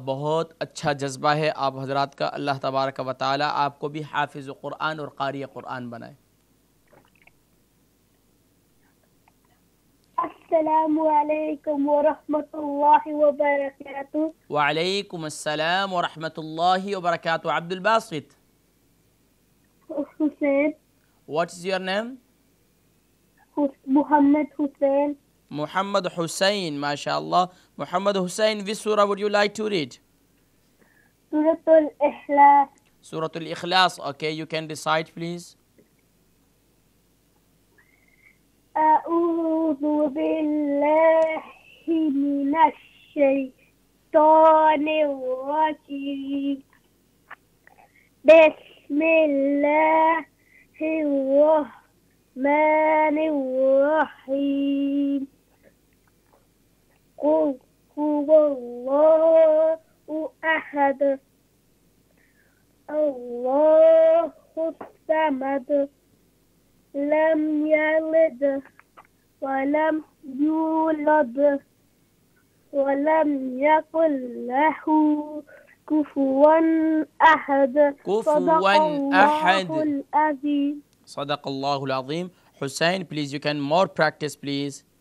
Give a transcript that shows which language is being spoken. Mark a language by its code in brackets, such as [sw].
[ur] بہت اچھا جذبہ ہے آپ حضرات کا. اللہ تبارک و تعالی آپ کو بھی حافظ قرآن اور قاری قرآن بنائے. [ar] السلام عليكم ورحمة الله وبركاته. وعليكم السلام ورحمة الله وبركاته. عبد الباسط. حسين. [en] What is your name? [ar] محمد حسين. محمد حسين. ما شاء الله. محمد حسين. [en] Which surah would you like to read? [ar] سورة الإخلاص. سورة الإخلاص. [en] Okay, you can recite please. [ar] أعوذ بالله من الشيطان الرجيم. بسم الله الرحمن الرحيم. قل هو الله أحد الله الصمد لم يلد ولم يولد ولم يقل له كفوا أحد. كفوا أحد. صدق الله العظيم. صدق الله العظيم. [en] حسين please you can more practice please.